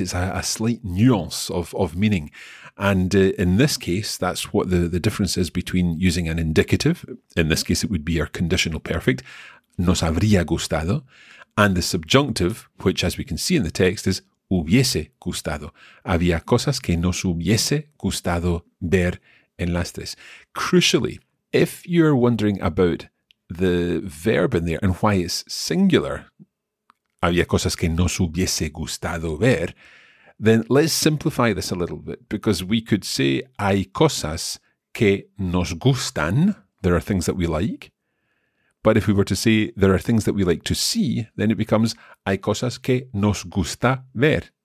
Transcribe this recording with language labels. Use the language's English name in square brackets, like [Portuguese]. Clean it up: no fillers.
[English] It's a slight nuance of meaning. And in this case, that's what the difference is between using an indicative. In this case, it would be our conditional perfect, [Spanish] nos habría gustado, [English] and the subjunctive, which, as we can see in the text, is [Spanish] hubiese gustado. Había cosas que nos hubiese gustado ver en las tres. [English] Crucially, if you're wondering about the verb in there and why it's singular, [Spanish] había cosas que nos hubiese gustado ver, [English] then let's simplify this a little bit, because we could say [Spanish] hay cosas que nos gustan, [English] there are things that we like, but if we were to say there are things that we like to see, then it becomes [Spanish] hay cosas que nos gusta ver.